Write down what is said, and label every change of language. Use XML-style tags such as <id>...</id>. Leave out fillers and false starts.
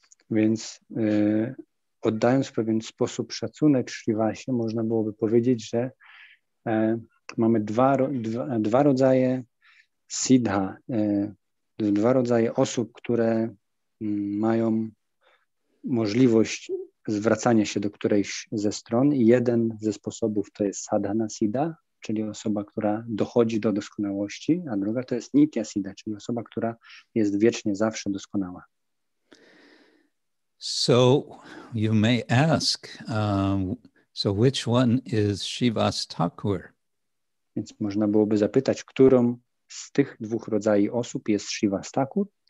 <pl>Więc oddając w pewien sposób szacunek Shrivasie, można byłoby powiedzieć, że mamy dwa rodzaje Siddha, dwa rodzaje osób, które mają możliwość zwracania się do którejś ze stron. I jeden ze sposobów to jest Sadhana Siddha, czyli osoba, która dochodzi do doskonałości, a druga to jest Nitya Siddha, czyli osoba, która jest wiecznie, zawsze doskonała.</pl> <en>So you may ask, so which one is Shivas Thakur?</en> <pl>Więc można byłoby zapytać, którą z tych dwóch rodzajów osób jest Shivas Thakur?</pl>